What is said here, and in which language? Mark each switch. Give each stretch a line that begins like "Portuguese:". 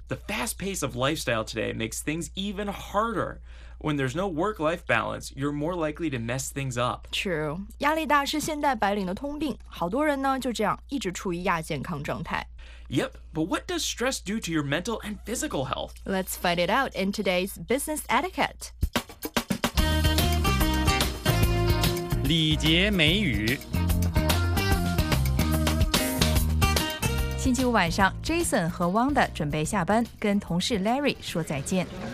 English: The fast pace of lifestyle today makes things even harder. When there's no work-life balance, you're more likely to mess things up. True.
Chinese: 压力大是现代白领的通病，好多人呢就这样一直处于亚健康状态。
English: Yep, but what does stress do to your mental and physical health? Let's find it out in today's business etiquette.
Chinese: 礼节美语。星期五晚上, Jason 和 Wanda 准备下班, 跟同事 Larry 说再见。